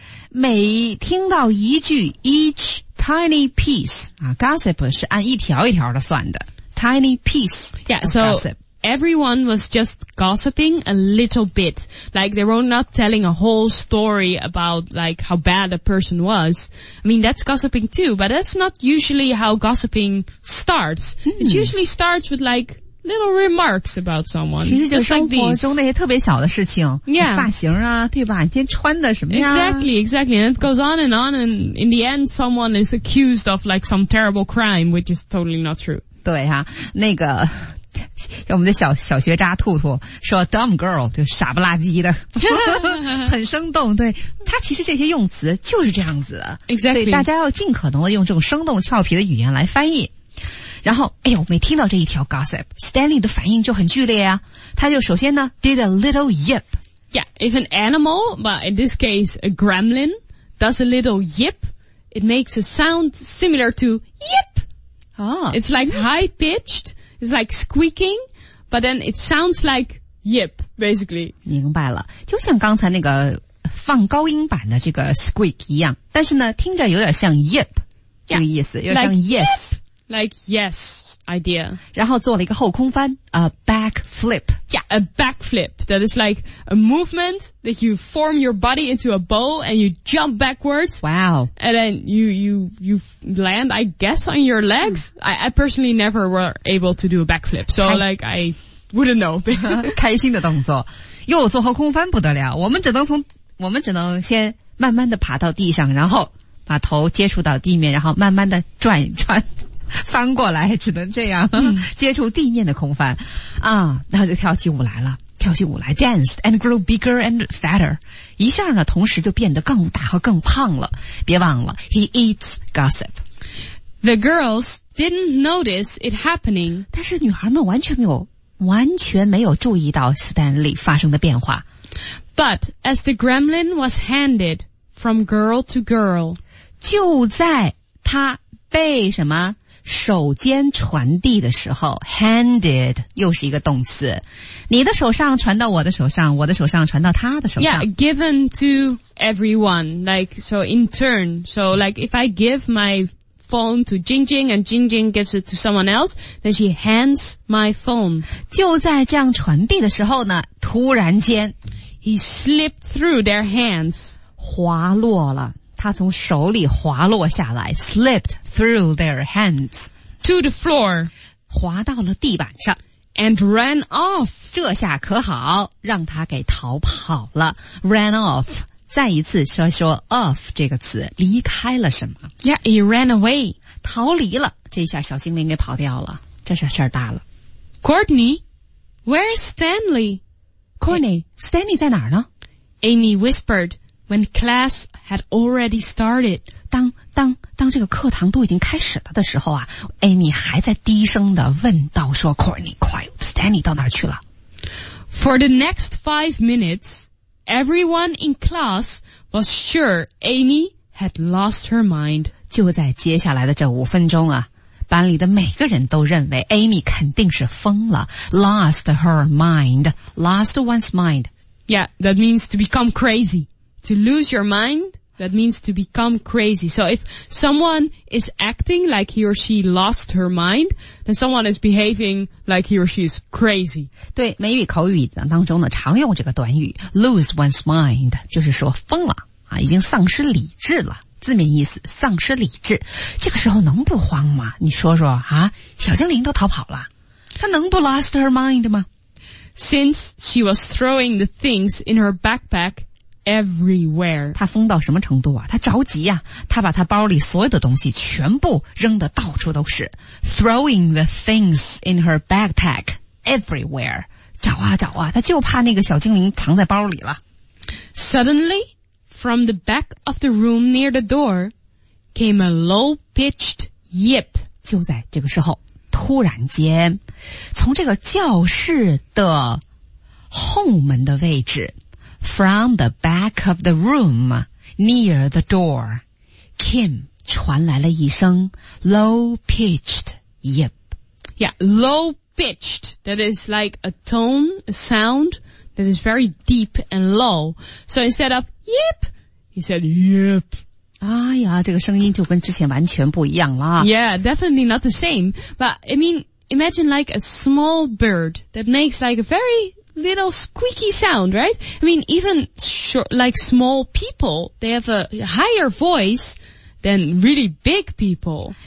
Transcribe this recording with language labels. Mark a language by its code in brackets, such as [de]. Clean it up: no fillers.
[zh] 每听到一句 [en] each tiny piece,、 [zh] gossip 是按一条一条的算的。 [en] Tiny piece. Yeah, so、 gossip. Everyone was just gossiping a little bit. Like they were not telling a whole story about like how bad a person was. I mean, that's gossiping too, but that's not usually how gossiping starts.、Hmm. It usually starts with like,little remarks about someone. [zh] 其实就生活中那些特别小的事情、 [en] yeah. [zh] 发型啊对吧今天穿的什么呀 [en] Exactly, exactly. And it goes on and on and in the end someone is accused of like some terrible crime which is totally not true. [zh] 对啊那个我们的小学渣兔兔说 [en] dumb girl [zh] 就傻不拉几的很生动对他其实这些用词就是这样子 [en] Exactly. [zh] 所以大家要尽可能的用这种生动俏皮的语言来翻译。然后哎呦没听到这一条 gossip, Stanley 的反应就很剧烈啊。他就首先呢 [en] ,did a little yip. Yeah, if an animal, but in this case a gremlin, does a little yip, it makes a sound similar to yip.、 Oh. It's like high pitched, it's like squeaking, but then it sounds like yip, basically. [zh] 明白了。就像刚才那个放高音版的这个 squeak 一样。但是呢听着有点像 yip, 这个意思 [en] yeah, [zh] 有点像 yes.、 [en] Like yes. Like, yes, idea. [zh] 然后做了一个后空翻, [en] a backflip. Yeah, a backflip. That is like a movement that you form your body into a bow and you jump backwards. Wow. And then you land, I guess, on your legs. I personally never were able to do a backflip. So like, I wouldn't know. [zh] 开心的动作。又做后空翻不得了。我们只能先慢慢地爬到地上然后把头接触到地面然后慢慢地转一转。翻过来只能这样、接触地面的空翻啊，然后就跳起舞来了跳起舞来 [en] danced and grew bigger and fatter [zh] 一下呢同时就变得更大和更胖了别忘了 [en] he eats gossip the girls didn't notice it happening [zh] 但是女孩们完全没有注意到 Stanley 发生的变化 [en] but as the gremlin was handed from girl to girl [zh] 就在他被什么手间传递的时候 handed 又是一个动词你的手上传到我的手上我的手上传到他的手上 [en] Yeah, given to everyone like so in turn so like if I give my phone to Jing Jing and Jing Jing gives it to someone else then she hands my phone [zh] 就在这样传递的时候呢突然间 [en] He slipped through their hands [zh] 滑落了他从手里滑落下来 [en] slipped through their hands to the floor [zh] 滑到了地板上 [en] and ran off [zh] 这下可好让他给逃跑了 [en] ran off [zh] 再一次说 off 这个词离开了什么 [en] yeah he ran away [zh] 逃离了这下小精灵给跑掉了这下事儿大了 [en] Courtney where's Stanley [zh] Courtney Stanley 在哪儿呢 [en] Amy whisperedWhen class had already started. [zh] 当这个课堂都已经开始了的时候啊 ,Amy 还在低声地问到说 Courtney, 快 ,Stanley 到哪儿去了 [en] ?For the next 5 minutes, everyone in class was sure Amy had lost her mind. 就在接下来的这五分钟啊班里的每个人都认为 Amy 肯定是疯了 , lost her mind, lost one's mind. Yeah, that means to become crazy. To lose your mind, that means to become crazy. So if someone is acting like he or she lost her mind, then someone is behaving like he or she is crazy. [zh] 对美语口语当中呢常用这个短语 [en] lose one's mind, [zh] 就是说疯了啊，已经丧失理智了字面意思丧失理智。这个时候能不慌吗你说说啊，小精灵都逃跑了他能不 [en] lost her mind [zh] 吗 [en] Since she was throwing the things in her backpack, everywhere. [zh] 他疯到什么程度啊？他着急啊，他把他包里所有的东西全部扔得到处都是。 [en] Throwing the things in her backpack everywhere. [zh] 找啊找啊，他就怕那个小精灵藏在包里了。 [en] Suddenly, from the back of the room near the door, came a low-pitched yip. [zh] 就在这个时候，突然间，从这个教室的后门的位置， [en] From the back of the room, near the door, [zh] Kim 传来了一声 [en] low-pitched yip. Yeah, low-pitched, that is like a tone, a sound that is very deep and low. So instead of yip, he said yip. [zh] 哎呀，这个声音就跟之前完全不一样了。 [en] Yeah, definitely not the same. But I mean, imagine like a small bird that makes like a very... little squeaky sound, right? I mean, even like small people, they have a higher voice than really big people.